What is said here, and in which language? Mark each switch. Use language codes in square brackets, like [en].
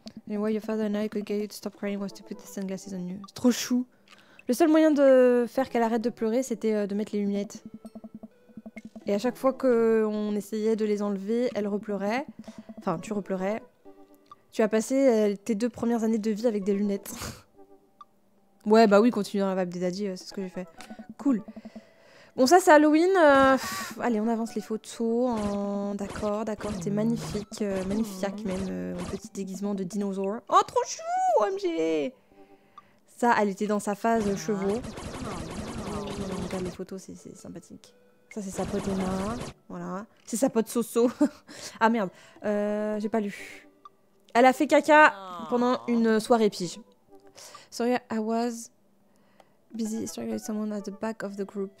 [en] And why your father and I could get you to stop crying was to put the sunglasses on you. [fr] C'est trop chou. Le seul moyen de faire qu'elle arrête de pleurer, c'était de mettre les lunettes. Et à chaque fois qu'on essayait de les enlever, elle repleurait. Enfin, tu repleurais. Tu as passé tes deux premières années de vie avec des lunettes. Ouais, bah oui, continue dans la vibe des daddy, c'est ce que j'ai fait. Cool. Bon, ça, c'est Halloween. Allez, on avance les photos. D'accord, d'accord, t'es magnifique. Magnifique, même. Un petit déguisement de dinosaure. Oh, trop chou, OMG. Ça, elle était dans sa phase chevaux. On regarde les photos, c'est sympathique. Ça, c'est sa pote Emma. Voilà. C'est sa pote Soso. Ah, merde. J'ai pas lu. Elle a fait caca pendant une soirée pige. [en] Sorry, I was busy struggling with someone at the back of the group.